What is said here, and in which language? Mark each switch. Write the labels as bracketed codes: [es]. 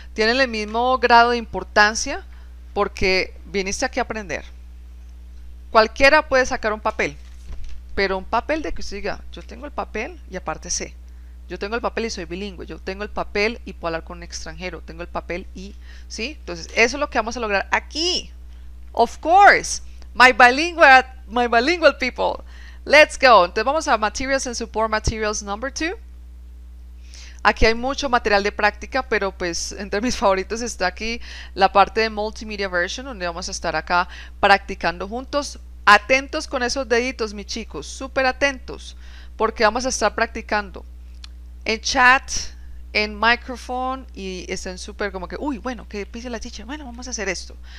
[es] Tienen el mismo grado de importancia porque viniste aquí a aprender. Cualquiera puede sacar un papel, pero un papel de que usted diga, yo tengo el papel y aparte sé. Yo tengo el papel y soy bilingüe. Yo tengo el papel y puedo hablar con un extranjero. Tengo el papel y, ¿sí? Entonces, eso es lo que vamos a lograr aquí. [en] Of course, my bilingual people. Let's go. [es] Entonces, vamos a [en] Materials and Support Materials number 2. [es] Aquí hay mucho material de práctica, pero pues entre mis favoritos está aquí la parte de Multimedia Version, donde vamos a estar acá practicando juntos. Atentos con esos deditos, mis chicos. Súper atentos, porque vamos a estar practicando en chat, en micrófono, y estén súper como que, uy, bueno, qué dice la teacher, bueno, vamos a hacer esto.